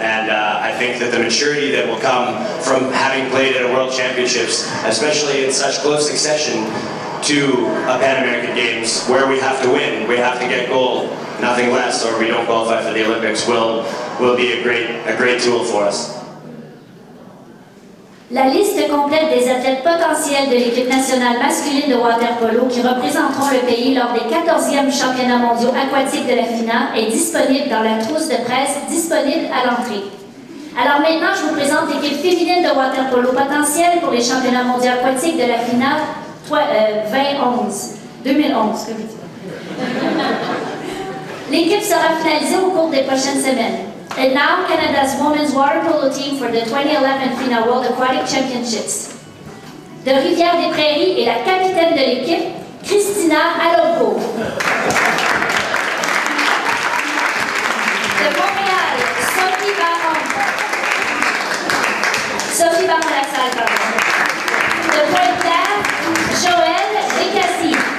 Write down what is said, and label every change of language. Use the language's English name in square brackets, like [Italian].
[English] And I think that the maturity that will come from having played at a World Championships, especially in such close succession to a Pan American Games, where we have to win, we have to get gold, nothing less, or we don't qualify for the Olympics, will be a great tool for us. [French] La liste complète des athlètes potentiels de l'équipe nationale masculine de water polo qui représenteront le pays lors des 14e championnats mondiaux aquatiques de la FINA est disponible dans la trousse de presse disponible à l'entrée. Alors maintenant, je vous présente l'équipe féminine de water polo potentielle pour les championnats mondiaux aquatiques de la FINA 2011. L'équipe sera finalisée au cours des prochaines semaines. [English] And now Canada's women's water polo team for the 2011 FINA World Aquatic Championships. [French] De Rivière-des-Prairies est la capitaine de l'équipe, Christina Alonso. De Montréal, Sophie Baron. Sophie Baron-Lassalle, pardon. De Pointe-Claire, Joëlle Décassie.